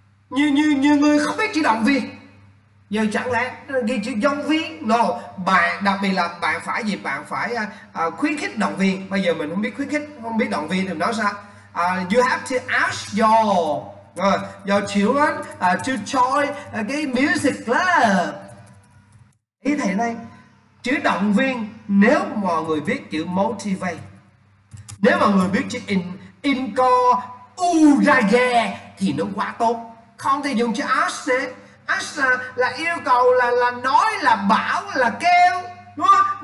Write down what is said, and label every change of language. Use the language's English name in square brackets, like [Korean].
[Vietnamese] Như người không biết chỉ động viên. Giờ chẳng lẽ ghi chữ giống viên? No, bạn, đặc biệt là bạn phải gì? Bạn phải khuyến khích động viên. Bây giờ mình không biết khuyến khích, không biết động viên thì nói sao? [English] You have to ask your children to join a [Vietnamese] cái [English] music club. [Vietnamese] Ý thầy này, chữ động viên, nếu mọi người biết chữ motivate, nếu mọi người biết chữ encourage thì nó quá tốt. Không thì dùng chữ ask. Ask là yêu cầu, là nói, là bảo, là kêu, đúng không?